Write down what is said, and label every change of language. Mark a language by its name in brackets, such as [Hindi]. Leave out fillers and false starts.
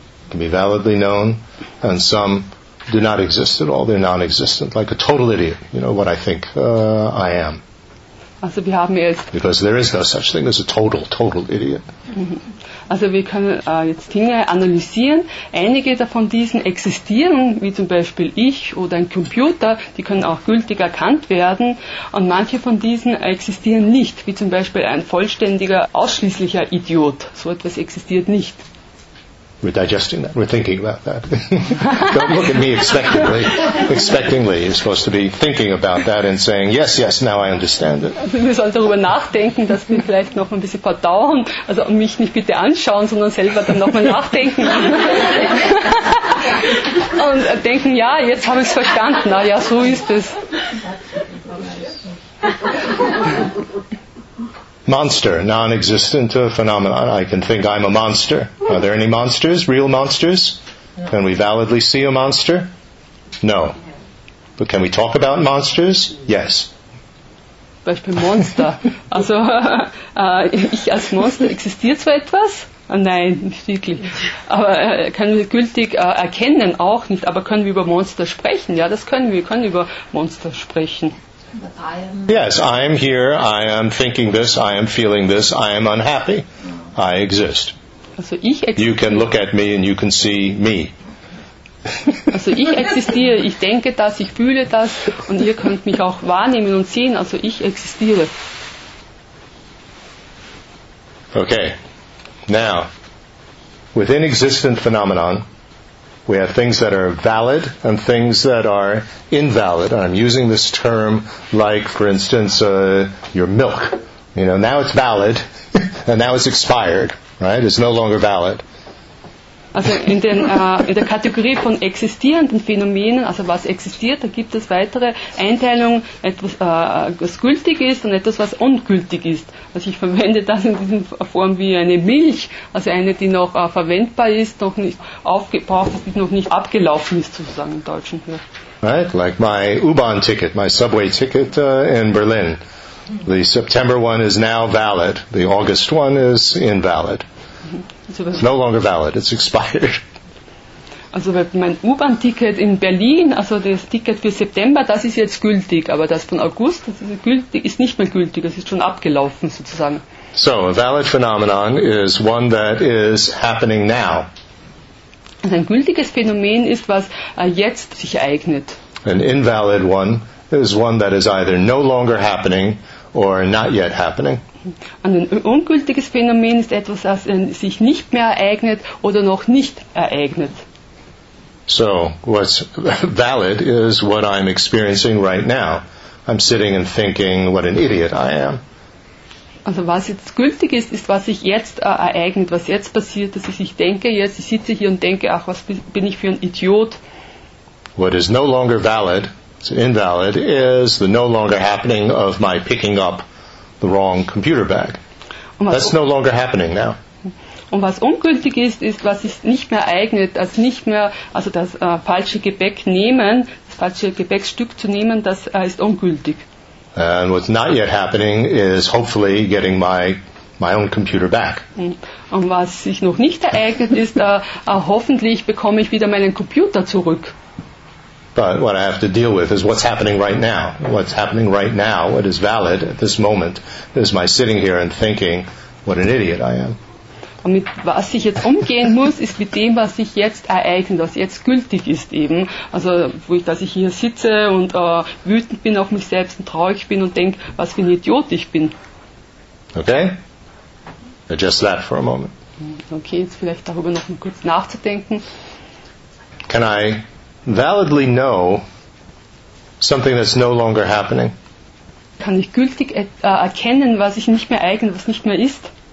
[English] Can be validly known, and some do not exist at all. They're non-existent, like a total idiot. You know what I think I am. [German] Also, wir haben jetzt. [English] Because there is no such thing as a total idiot. [German] Also, wir können jetzt Dinge analysieren. Einige davon diesen existieren, wie zum Beispiel ich oder ein Computer. Die können auch gültig erkannt werden. Und manche von diesen existieren nicht, wie zum Beispiel ein vollständiger, ausschließlicher Idiot. So etwas existiert nicht. [English] We're digesting that. We're thinking about that. Don't look at me expectantly. Expectantly, you're supposed to be thinking about that and saying, yes, yes, now I understand it. [German] Wir sollen darüber nachdenken, dass wir vielleicht noch ein bisschen verdauen, also mich nicht bitte anschauen, sondern selber dann nochmal nachdenken. Und denken, ja, jetzt habe ich es verstanden. Na ja, so ist es. [English] Monster, non-existent phenomenon. I can think I'm a monster. Are there any monsters, real monsters? Can we validly see a monster? No. But can we talk about monsters? Yes. [German] Beispiel Monster. Also, ich als Monster, existiert zwar etwas? Nein, nicht wirklich. Aber können wir gültig erkennen? Auch nicht. Aber können wir über Monster sprechen? Ja, das können wir. Wir können über Monster sprechen. [English] Yes, I am here, I am thinking this, I am feeling this, I am unhappy. I exist. [German] Also ich existiere. [English] You can look at me and you can see me. [German] Also ich existiere, ich denke das, ich fühle das und ihr könnt mich auch wahrnehmen und sehen, also ich existiere. [English] Okay, now, within existent phenomenon, we have things that are valid and things that are invalid. I'm using this term like, for instance, your milk. You know, now it's valid and now it's expired, right? It's no longer valid. [German] Also in der Kategorie von existierenden Phänomenen, also was existiert, da gibt es weitere Einteilungen, etwas, was gültig ist und etwas, was ungültig ist. Also ich verwende das in diesem Form wie eine Milch, also eine, die noch verwendbar ist, noch nicht aufgebraucht ist, die noch nicht abgelaufen ist, sozusagen im Deutschen. [English] Right, like my U-Bahn ticket, my subway ticket in Berlin. The September one is now valid, the August one is invalid. It's no longer valid, it's expired. [German] Also mein U-Bahn-Ticket in Berlin, also das Ticket für September, das ist jetzt gültig, aber das von August, das ist gültig, ist nicht mehr gültig, das ist schon abgelaufen sozusagen. [English] So, a valid phenomenon is one that is happening now. [German] Also ein gültiges Phänomen ist, was jetzt sich ereignet. [English] An invalid one is one that is either no longer happening or not yet happening. [German] Und ein ungültiges Phänomen ist etwas, das sich nicht mehr ereignet oder noch nicht ereignet. [English] So, what's valid is what I'm experiencing right now. I'm sitting and thinking, what an idiot I am. [German] Also was jetzt gültig ist, ist, was sich jetzt ereignet, was jetzt passiert, dass ich denke, jetzt ich sitze hier und denke, ach, was bin ich für ein Idiot. [English] What is no longer valid, it's invalid, is the no longer happening of my picking up the wrong computer bag. That's no longer happening now. [German] Und was ungültig ist, ist, was sich nicht mehr eignet, als nicht mehr, also das falsche Gepäck nehmen, das falsche Gepäckstück zu nehmen, das ist ungültig. [English] And what's not yet happening is hopefully getting my own computer back. [German] Und was sich noch nicht ereignet ist, hoffentlich bekomme ich wieder meinen Computer zurück. [English] But what I have to deal with is what's happening right now. What's happening right now, what is valid at this moment, is my sitting here and thinking, what an idiot I am. [German] Und mit was ich jetzt umgehen muss, ist mit dem, was sich jetzt ereignet, was jetzt gültig ist eben. Also, dass ich hier sitze und wütend bin auf mich selbst und traurig bin und denke, was für ein Idiot ich bin. [English] Okay? Adjust that for a moment. [German] Okay, jetzt vielleicht darüber noch kurz nachzudenken. [English] Can I validly know something that's no longer happening? [German] Kann ich gültig erkennen, was ich nicht mehr eigne, was nicht mehr ist?